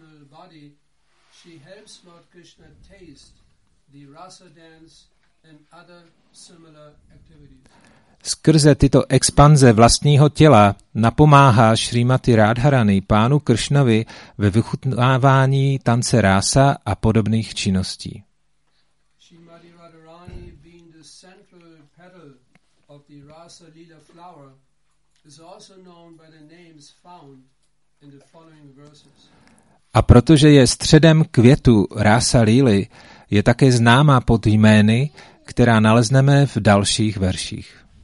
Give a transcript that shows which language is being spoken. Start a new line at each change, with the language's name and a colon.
English: body, she helps Lord Krishna taste the rasa dance and other similar activities.
Czech: Skrze tyto expanze vlastního těla napomáhá Srimati Radharani pánu Kršnovi ve vychutnávání tance rasa a podobných činností.
English: Srimati Radharani being the central petal of the rasa lila flower is also known by the names found in the following verses.
Czech: A protože je středem květu rasa líly, je také známá pod jmény, která nalezneme v dalších verších.